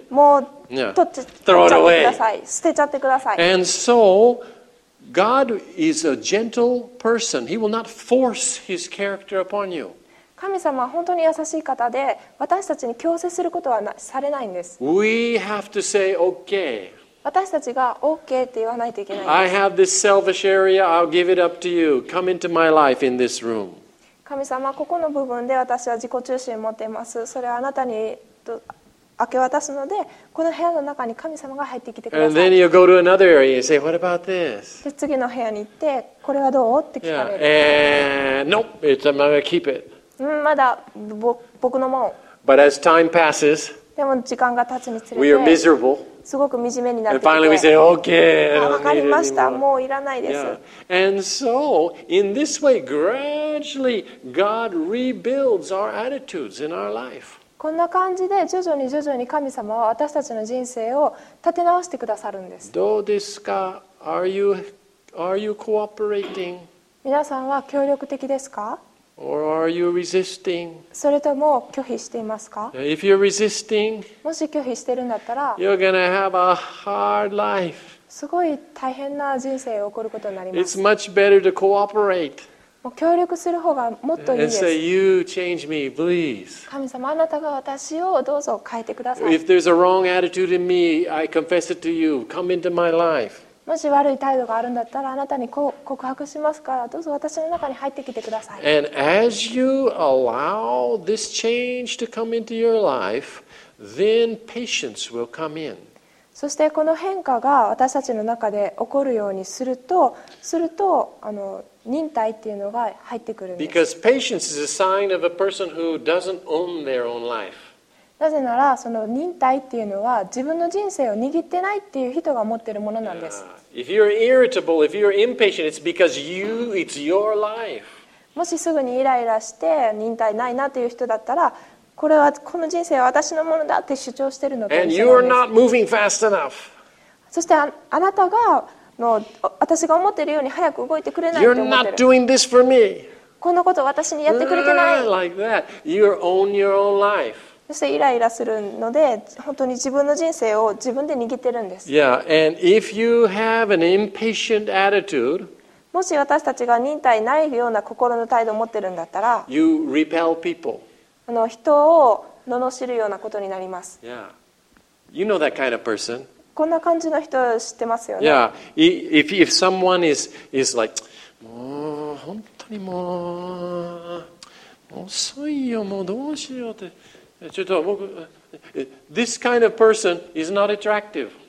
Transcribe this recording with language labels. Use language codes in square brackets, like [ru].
[ja] もう取っちゃってください。捨てちゃってください。 [en] And so,God is a gentle person. He will not force his character upon you. [ja] 神様は本当に優しい方で、私たちに強制することはされないんです。 [en] We have to say okay. [ja] 私たちが OK って言わないといけないんです。 [en] I have this selfish area. I'll give it up to you. Come into my life in this room. [ja] 神様、ここの部分で私は自己中心を持っています。それはあなたに明け渡すので、この部屋の中に神様が入ってきてください。 [en] And then you go to another area and say, "What about this?" [ja] で次の部屋に行って、これはどうって聞かれる。 [en] Yeah. Nope, it's I'm gonna keep it. [ja] まだ僕のもん。 [en] But as time passes, [ja] でも時間が経つにつれて、 [en] we are miserable. [ja] すごく惨めになってきて。 [en] And finally we say, "Okay." [ja] わかりました。もういらないです。 [en] Yeah. And so in this way, gradually God rebuilds our attitudes in our life. [ja] こんな感じで徐々に徐々に神様は私たちの人生を立て直してくださるんです。どうですか? [en] Are you cooperating? [ja] 皆さんは協力的ですか? [en] Or are you resisting? [ja] それとも拒否していますか? [en] If you're resisting, [ja] もし拒否してるんだったら、 [en] you're gonna have a hard life. [ja] すごい大変な人生を送ることになります。 [en] It's much better to cooperate. [ja] 協力する方がもっといいです。 [en] And say, "You change me, please." [ja] 神様、あなたが私をどうぞ変えてください。 [en] If there's a wrong attitude in me, I confess it to you. Come into my life. [ja] もし悪い態度があるんだったら、あなたに告白しますから、どうぞ私の中に入ってきてください。 [en] And as you allow this change to come into your life, then patience will come in. [ja] そしてこの変化が私たちの中で起こるようにすると、あの忍耐っていうのが入ってくるんです。 [en] Because patience is a sign of a person who doesn't own their own life. [ja] なぜならその忍耐っていうのは自分の人生を握ってないっていう人が持ってるものなんです。 [en] If you're irritable, if you're impatient, it's because it's your life. [ja] もしすぐにイライラして忍耐ないなっていう人だったら。これはこの人生は私のものだって主張してるのかもしれないです。 [en] And you are not [ja] そして あなたがの私が思っているように早く動いてくれないと思ってる。 [en] You're not doing this for me. [ja] このことを私にやってくれてない。 [en] Like that. You own your own life. [ja] そしてイライラするので本当に自分の人生を自分で握ってるんです。 [en] Yeah, and if you have an impatient attitude, [ja] もし私たちが忍耐ないような心の態度を持ってるんだったら、 [en] you repel people. [ja] あの人を罵るようなことになります。 [en] Yeah. You know that kind of person. [ja] こんな感じの人知ってますよね。 [en] Yeah. If someone is like, [ja] もう本当にもう遅いよもうどうしようってちょっと僕 [en] this kind of person is not attractive.